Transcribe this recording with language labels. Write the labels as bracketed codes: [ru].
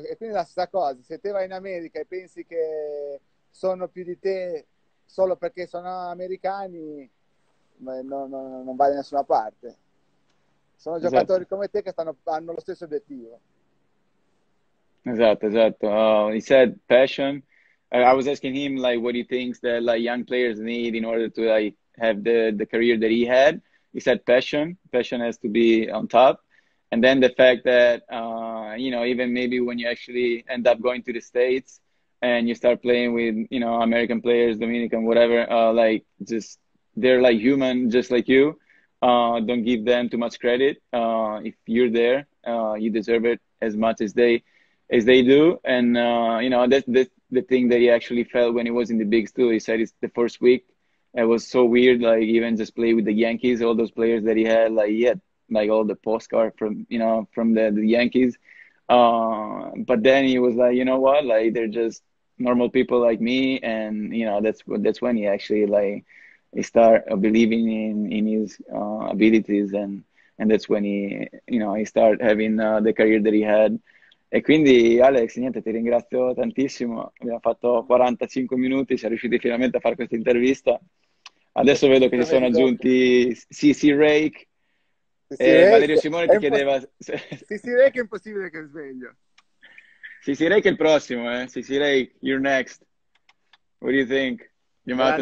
[it] E quindi la stessa cosa, se te vai in America e pensi che sono più di te solo perché sono americani, non vai da nessuna parte. Sono giocatori come te che hanno lo stesso obiettivo. Esatto. [en] He said passion. I was asking him, like, what he thinks that, like, young players need in order to, like, have the career that he had. He said passion has to be on top, and then the fact that even maybe when you actually end up going to the States and you start playing with American players, Dominican, whatever, like, just they're like human just like you. Don't give them too much credit. If you're there, you deserve it as much as they do. And that's the thing that he actually felt when he was in the bigs too. He said it's the first week, it was so weird, like, even just play with the Yankees, all those players that he had like all the postcard from the Yankees. But then he was like, you know what, like, they're just normal people like me. And that's when he actually, like, he started believing in his abilities, and that's when he started having the career that he had. [it] E quindi, Alex, niente, ti ringrazio tantissimo. Abbiamo fatto 45 minuti, siamo riusciti finalmente a fare questa intervista. Adesso vedo che si sono Stupendo. aggiunti CC Rake e Valerio Simone ti chiedeva se... Si re che è impossibile che sveglio. CC Rake è il prossimo, eh? CC Rake, [en] you're next. What do you think? [it] Mi ha mandato un